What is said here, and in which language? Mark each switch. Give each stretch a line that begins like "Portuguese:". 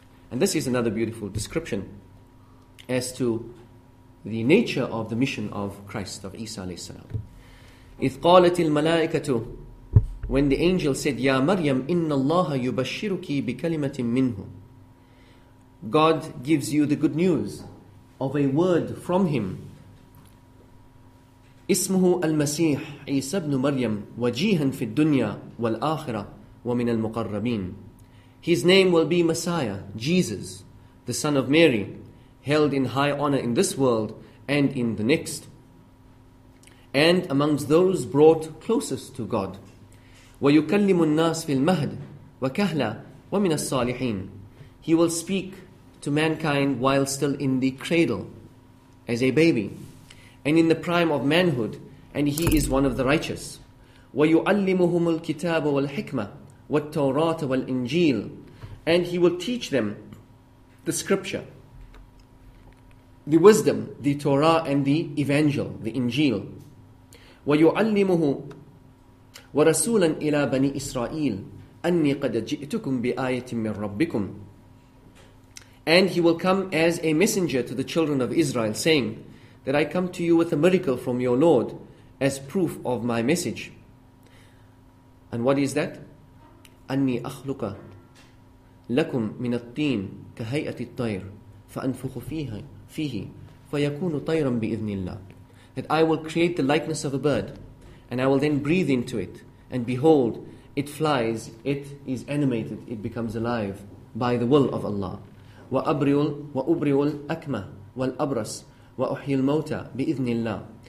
English: And this is another beautiful description as to the nature of the mission of Christ, of Isa alayhi salam.
Arabic: إِذْ قَالَتِ الْمَلَائِكَةُ,
English: when the angel said,
Arabic: يَا مَرْيَمْ إِنَّ اللَّهَ يُبَشِّرُكِ بِكَلِمَةٍ مِّنْهُ,
English: God gives you the good news of a word from him.
Arabic: اسمه المسيح عيسى ابن مريم وجيها في الدنيا والآخرة ومن المقربين.
English: His name will be Messiah, Jesus, the son of Mary, held in high honor in this world and in the next, and amongst those brought closest to God.
Arabic: ويكلم الناس في المهد وكهلا ومن الصالحين.
English: He will speak to mankind while still in the cradle, as a baby, and in the prime of manhood, and he is one of the righteous.
Arabic: ويعلمهم الكتاب والحكمة والتوراة والإنجيل.
English: And he will teach them the scripture, the wisdom, the Torah, and the evangel, the Injil.
Arabic: ويعلمه ورسولا إلى بني إسرائيل أني قد جئتكم بآية من ربكم.
English: And he will come as a messenger to the children of Israel, saying that I come to you with a miracle from your Lord as proof of my message. And what is that?
Arabic: أني أخلق لكم من الطين كهيئة الطير فأنفخ فيه فيكون طيرا بإذن الله.
English: That I will create the likeness of a bird, and I will then breathe into it, and behold, it flies, it is animated, it becomes alive by the will of Allah.
Arabic: وَأُبْرِئُ الْأَكْمَهُ وَالْأَبْرَسُ وَأُحْيِي الْمَوْتَى بِإِذْنِ اللَّهِ.